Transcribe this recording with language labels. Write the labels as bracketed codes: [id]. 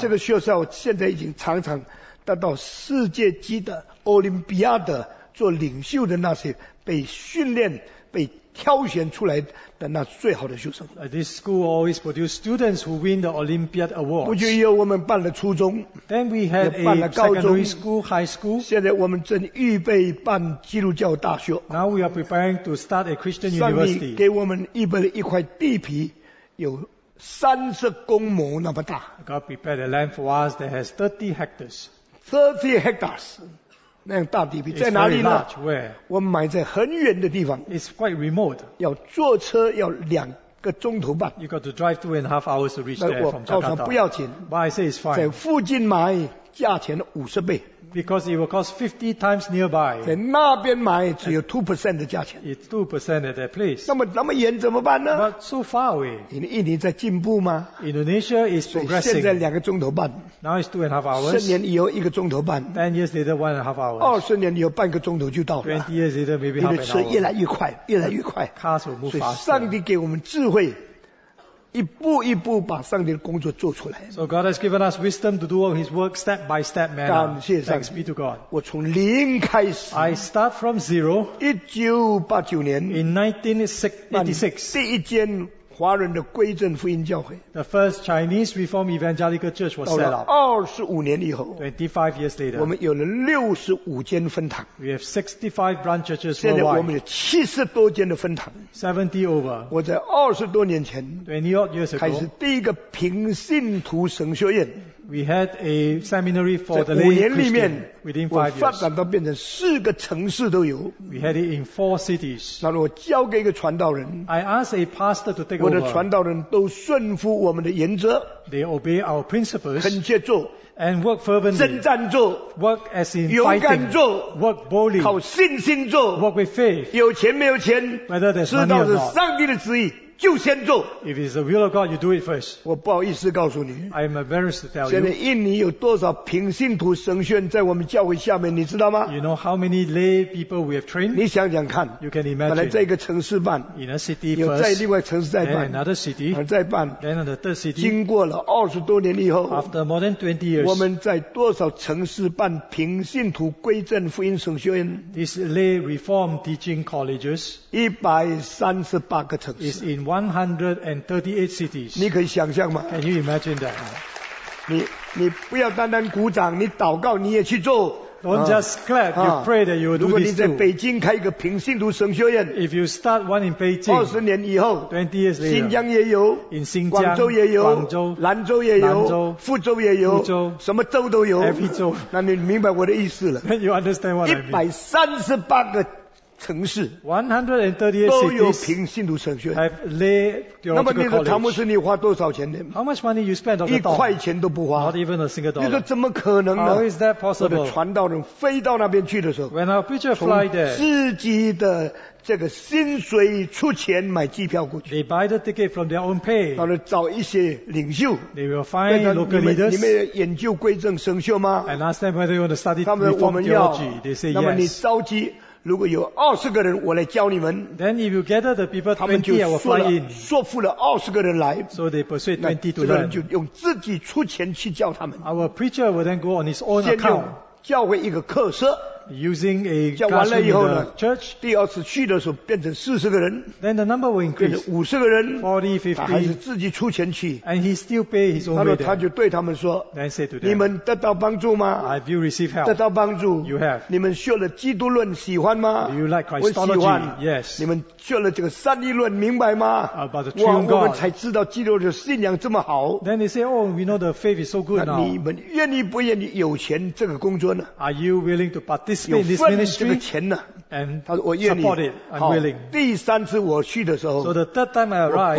[zh] 这个学校现在已经常常得到世界级的奥林匹亚的做领袖的那些被训练被挑选出来的那最好的学生 [en] This school always produce students who win the Olympiad awards. [zh] 不就有我们办了初中 [en] Then we had a secondary school, high school. [zh] 现在我们正预备办基督教大学 [en] Now we are preparing to start a Christian university. [zh] 上帝给我们预备了一块地皮有30公亩那么大 [en] God prepared a land for us that has 30 hectares. 30 hectares. [zh] 那样大地皮在哪里呢 [en] large, where? [zh] 我们买在很远的地方 [en] It's quite remote. [zh] 要坐车要两个钟头半 [en] You've got to drive 2.5 hours to reach there from Jakarta [zh] 我告诉他不要紧 [en] But I say it's fine [zh] 在附近买价钱50倍 [en] Because it will cost 50 times nearby [zh] 在那边买只有 2% 的价钱 [en] It's 2% at that place [zh] 那么远怎么办呢 [en] But so far away [zh] 因为印尼在进步吗 [en] Indonesia is progressing [zh] 现在两个钟头半 [en] Now it's 2.5 hours. [zh] 十年以后一个钟头半。 [en] Ten years later, 1.5 hours. 20 years [zh] 以后半个钟头就到了。 [en] 20 years later, maybe half an hour. [zh] 车越来越快，越来越快。 [en] Cars will move faster. [zh] 所以上帝给我们智慧，一步一步把上帝的工作做出来。 [en] So God has given us wisdom to do all His work step by step, man. [zh] 感谢上帝。 [en] Thanks be to God. [zh] 我从零开始。 [en] I start from zero. [zh] 1989年。 [en] In 1986. [zh] 第一间。华人的归正福音教会 [en] The first Chinese Reform Evangelical Church was set up [zh] 到了25年以后 [en] 25 years later [zh] 我们有了65间分堂 [en] We have 65 branch churches worldwide [zh] 现在我们有70多间的分堂 [en] 70 over [zh] 我在20多年前 [en] 20 odd years ago [zh] 开始第一个平信徒神学院 [en] We had a seminary for the lay Christian [zh] 在5年里面 [en] Within 5 years [zh] 我发展到变成四个城市都有 [en] We had it in 4 cities [zh] 然后我交给一个传道人 [en] I asked a pastor to take [zh] 我的传道人都顺服我们的原则 [en] They obey our principles [zh] 恳切做 [en] And work fervently [zh] 征战做 [en] Work as in fighting [zh] 勇敢做 [en] Work boldly [zh] 靠信心做 [en] Work with faith [zh] 有钱没有钱 [en] Whether there's money or not [zh] 知道是上帝的旨意就先做 [en] If it's the will of God, you do it first [zh] 我不好意思告诉你 [en] I'm embarrassed to tell you [zh] 现在印尼有多少平信徒神学院在我们教会下面你知道吗 [en] You know how many lay people we have trained [zh] 你想想看 [en] You can imagine [zh] 本来在一个城市办 [en] In a city first [zh] 有在另外城市再办 [en] Then another city [zh] 而再办 [en] Then another third city [zh] 经过了20多年以后 [en] After more than 20 years [zh] 我们在多少城市办平信徒归正福音神学院 [en] These lay reform teaching colleges [zh] 138个城市 [en] Is in 138 cities. [zh] 你可以想象吗 [en] Can you imagine that? [zh] 你不要单单鼓掌，你祷告你也去做。 [en] Don't just clap. You pray that you will do this too. [zh] 如果你在北京开一个平信徒神学院 [en] ，If you start one in Beijing, [zh] 二十年以后 [en] ，20 years later, [zh] 新疆也有 [en] ，in 新疆， [zh] 广州也有，广州，兰州也有，兰州，福州也有，福州，什么州都有 [en] ，every 州。 [zh] 那你明白我的意思了 [en] ？Then you understand what I mean. [zh] 138个。城市 [en] 138 cities [zh] 都有平信徒神学院 [en] have laid your college [zh] 那么你的唐牧师你花多少钱呢 [en] How much money you spend [zh] 一块钱都不花 [en] Not even a single dollar [zh] 你说怎么可能呢 [en] How is that possible [zh] 我的传道人飞到那边去的时候 [en] When our preacher fly there [zh] 从自己的这个薪水出钱买机票过去 [en] They buy the ticket from their own pay [zh] 到了找一些领袖 [en] They will find local leaders [zh] 你们研究归正神学吗 [en] And ask them whether you want to study reform theology They say yes [zh] 那么你召集如果有20个人我来教你们 [en] Then if you gather the people 20 I will fly in [zh] 说服了20个人来 [en] So they persuade 20 to learn [zh] 这个人就用自己出钱去教他们 [en] Our preacher will then go on his own account [zh] 先用教会一个课设 [en] using a church. [zh] 第二次去的时候变成40个人, [en] then the number will increase. [zh] 50个人, [en] 40, 50. [zh] 还是自己出钱去, [en] and he still pay his own way. [zh] 他就对他们说, [en] then say to them, [zh] 你们得到帮助吗? [en] Have you received help? [zh] 得到帮助? [en] You have. [zh] 你们学了基督论喜欢吗? [en] Do you like Christology? Yes. [zh] 你们学了这个三义论明白吗? [en] About the true God. [zh] 我们才知道基督的信仰这么好。 [en] Then they say, oh, we know the faith is so good now. [zh] 你们愿意不愿意有钱这个工作呢? [en] Are you willing to participate in this ministry? And support it. I'm willing. [zh] 第三次我去的时候, [en] so the third time I arrived,